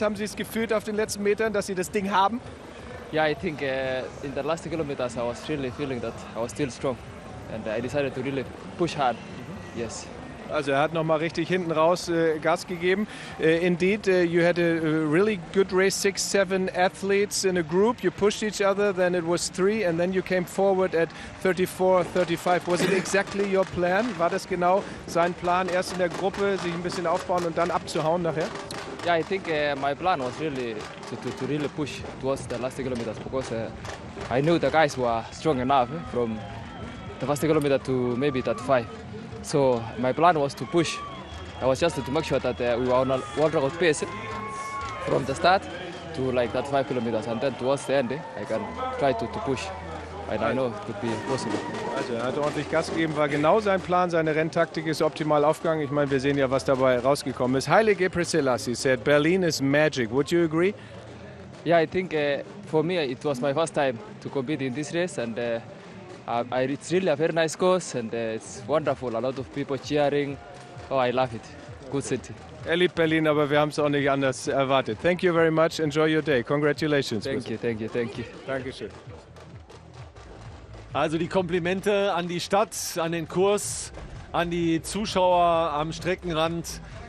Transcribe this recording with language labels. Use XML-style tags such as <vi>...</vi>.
<de>Haben Sie es gefühlt auf den letzten Metern, dass Sie das Ding haben?</de> <en>Yeah, I think in the last kilometers I was really feeling that I was still strong. And I decided to really push hard. Yes.</en> <de>Also er hat nochmal richtig hinten raus Gas gegeben.</de> <en>Indeed, you had a really good race, 6-7 athletes in a group. You pushed each other, then it was 3 and then you came forward at 34-35. Was it exactly your plan?</en> <de>War das genau sein Plan, erst in der Gruppe sich ein bisschen aufbauen und dann abzuhauen nachher?</de> <en>Yeah, I think my plan was really to really push towards the last kilometers, because I knew the guys were strong enough from the last kilometer to maybe that 5. So my plan was to push. I was just to make sure that we were on a world record pace from the start to like that 5 kilometers, and then towards the end I can try to push. And I know it could be possible.</en> <de>Also er hat ordentlich Gas gegeben, war genau sein Plan, seine Renntaktik ist optimal aufgegangen. Ich meine, wir sehen ja, was dabei rausgekommen ist.</de> <en>Haile Gebrselassie said Berlin is magic. Would you agree? Yeah, I think for me it was my first time to compete in this race, and it's really a very nice course and it's wonderful. A lot of people cheering. Oh, I love it. Good city.</en> <de>Er liebt Berlin, aber wir haben es auch nicht anders erwartet.</de> <en>Thank you very much. Enjoy your day. Congratulations. Thank you.</en> <de>Dankeschön. Also die Komplimente an die Stadt, an den Kurs, an die Zuschauer am Streckenrand.</de>